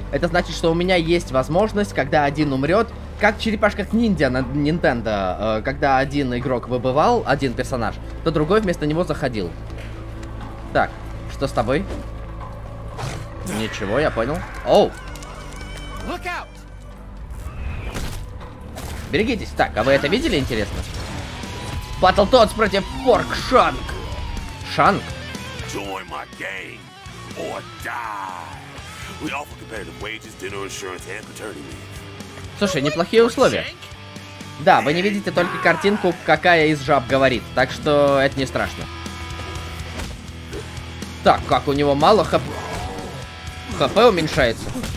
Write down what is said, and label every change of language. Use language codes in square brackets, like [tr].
[ru] Это значит, что у меня есть возможность, когда один умрет, как в черепашках-ниндзя на Nintendo, когда один игрок выбывал, один персонаж, то другой вместо него заходил. Так, что с тобой? Ничего, я понял. Оу! [en] Look out! [ru] Берегитесь. Так, а вы это видели, интересно? Battle Toads против Pork Shank. Shank? [en] Join my gang or die. We offer competitive wages, dinner, insurance, and paternity. [ru] Слушай, неплохие условия. Да, вы не видите только картинку, какая из жаб говорит. Так что это не страшно. Так, как у него мало хп... ХП уменьшается.